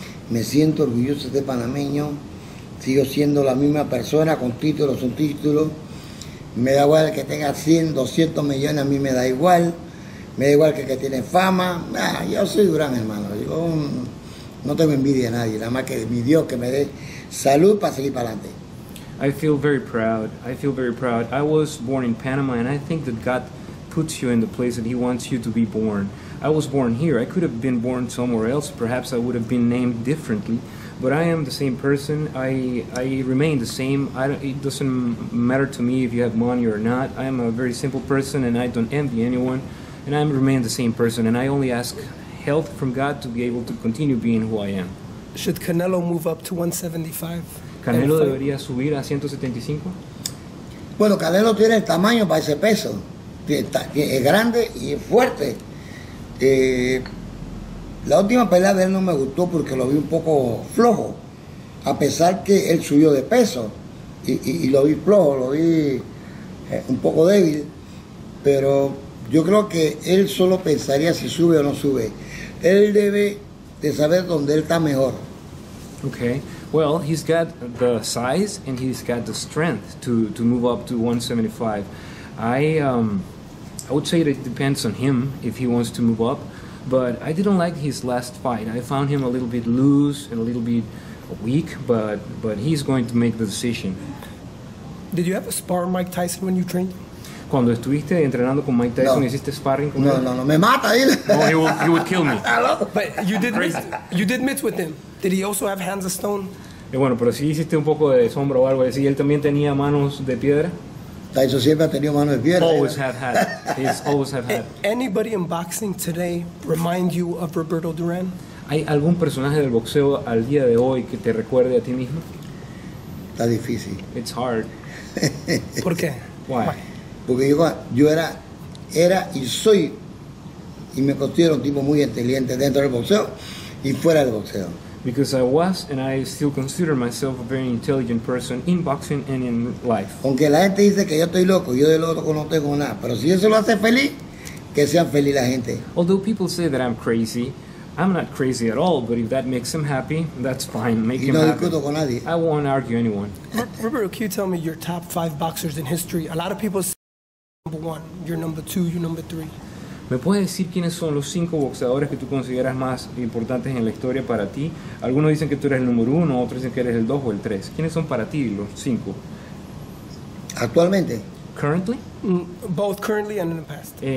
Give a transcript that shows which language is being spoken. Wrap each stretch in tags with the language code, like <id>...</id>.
<es>Me siento orgulloso de panameño. Sigo siendo la misma persona, con título o sin título. Me da igual que tenga 100, 200 millones, a mí me da igual. Me da igual que tiene fama. Nah, yo soy Durán, hermano. Yo no tengo envidia de nadie, nada más que mi Dios que me dé salud para seguir para adelante.</es> <en>I feel very proud. I was born in Panama, and I think that God puts you in the place that he wants you to be born. I was born here. I could have been born somewhere else. Perhaps I would have been named differently. But I am the same person. I remain the same. It doesn't matter to me if you have money or not. I am a very simple person, and I don't envy anyone. And I remain the same person. And I only ask help from God to be able to continue being who I am. Should Canelo move up to 175?</en> <es>Canelo debería subir a 175? Bueno, Canelo tiene el tamaño para ese peso. Es grande y fuerte. La última pelea de él no me gustó porque lo vi un poco flojo, a pesar que él subió de peso y lo vi flojo, lo vi un poco débil, pero yo creo que él solo pensaría si sube o no sube. Él debe de saber dónde él está mejor.</es> <en>Okay. Well, he's got the size and he's got the strength to move up to 175. I would say that it depends on him if he wants to move up, but I didn't like his last fight. I found him a little bit loose and a little bit weak, but he's going to make the decision. Did you ever spar Mike Tyson when you trained?</en> <es>Cuando estuviste entrenando con Mike Tyson, hiciste sparring con él? No, me mata él.</es> <en>Oh, he would kill me. But you did mitts with him. Did he also have hands of stone?</en> <es>Y bueno, pero sí hiciste un poco de sombra o algo así. Él también tenía manos de piedra. Tyson siempre ha tenido manos de piedra.</es> <en>Always have had. He's always have had. Anybody in boxing today remind you of Roberto Duran?</en> <es>¿Hay algún personaje del boxeo al día de hoy que te recuerde a ti mismo? Está difícil.</es> <en>It's hard.</en> <es>¿Por qué?</es> <en>Why?</en> <es>Porque yo era y soy, y me considero un tipo muy inteligente dentro del boxeo y fuera del boxeo.</es> <en>Because I was and I still consider myself a very intelligent person in boxing and in life.</en> <es>Aunque la gente dice que yo estoy loco, yo de loco no tengo nada. Pero si eso lo hace feliz, que sean feliz la gente.</es> <en>Although people say that I'm crazy, I'm not crazy at all. But if that makes him happy, that's fine. Make him happy.</en> <es>Y no discuto con nadie.</es> <en>I won't argue anyone. Roberto, can you tell me your top five boxers in history? A lot of people say you're number one, you're number two, you're number three.</en> <es>¿Me puedes decir quiénes son los cinco boxeadores que tú consideras más importantes en la historia para ti? Algunos dicen que tú eres el número uno, otros dicen que eres el dos o el tres. ¿Quiénes son para ti los cinco? Actualmente.</es> <en>Currently? Both currently and in the past.</en>